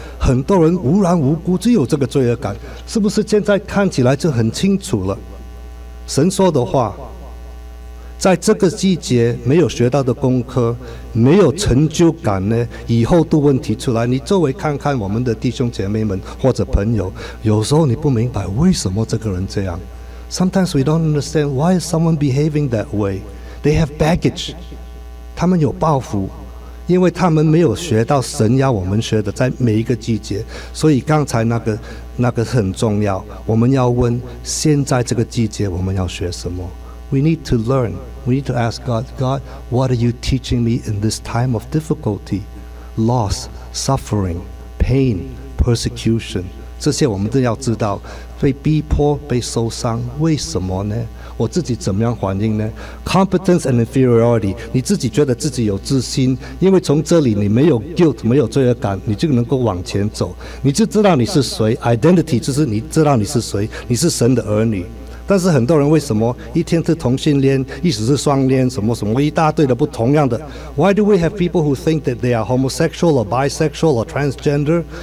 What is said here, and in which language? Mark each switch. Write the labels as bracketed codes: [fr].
[zh] 很多人无缘无故就有这个罪恶感，是不是现在看起来就很清楚了？神说的话，在这个季节没有学到的功课，没有成就感呢，以后都问题出来。你周围看看我们的弟兄姐妹们或者朋友，有时候你不明白为什么这个人这样。 [en] Sometimes we don't understand why is someone behaving that way. They have baggage. [zh] 他们有抱负，因为他们没有学到神要我们学的，在每一个季节。所以刚才那个很重要。我们要问，现在这个季节我们要学什么 ？ [en] We need to learn. We need to ask God. God, what are you teaching me in this time of difficulty, loss, suffering, pain, persecution? [zh] 这些我们都要知道。被逼迫被受伤为什么呢？我自己怎么样反应呢？ [en] Competence and inferiority， [zh] 你自己觉得自己有自信，因为从这里你没有 guilt， 没有罪恶感，你就能够往前走，你就知道你是谁。 Identity 就是你知道你是谁，你是神的儿女。但是很多人为什么一天是同性恋，一直是双恋，什么什么一大堆的不同样的？ [en] Why do we have people who think that they are homosexual or bisexual or transgender?